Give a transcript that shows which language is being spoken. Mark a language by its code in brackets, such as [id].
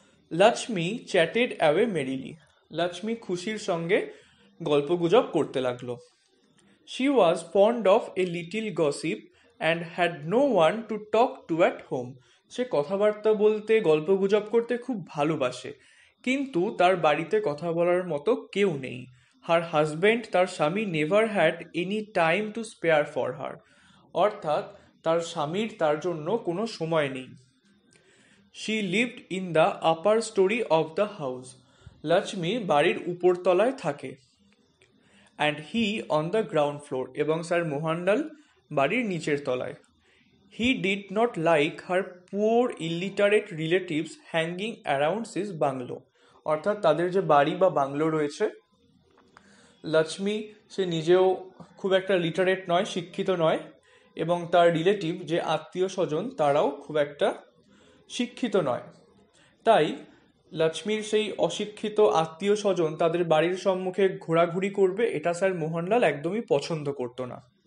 [bn] Lakshmi [en] chatted away merrily, [bn] Lakshmi খুশির সঙ্গে গল্পগুজব করতে লাগলো, [en] she was fond of a little gossip and had no one to talk to at home, [bn] সে কথাবার্তা বলতে গল্পগুজব করতে খুব ভালোবাসে, কিন্তু তার বাড়িতে কথা বলার মতো কেউ নেই, [en] her husband [bn] তার স্বামী [en] never had any time to spare for her, [bn] অর্থাৎ তার স্বামীর তার জন্য কোনো সময় নেই, [en] She lived in the upper story of the house. [bn] Lachmi barir upor tolay thake. [en] And he on the ground floor. [bn] Ebong sir Mohan Lal barir nicher tolay. [en] He did not like her poor illiterate relatives hanging around his bungalow. [bn] অর্থাৎ তাদের যে বাড়ি বা bungalow রয়েছে, লক্ষ্মি সে নিজেও খুব একটা literate নয়, শিক্ষিত নয়, এবং তার রিলেটিভ যে আত্মীয় স্বজন তারাও খুব একটা শিক্ষিত নয়। তাই লক্ষ্মীর সেই অশিক্ষিত আত্মীয় স্বজন তাদের বাড়ির সম্মুখে ঘোরাঘুরি করবে, এটা স্যার মোহনলাল একদমই পছন্দ করত না।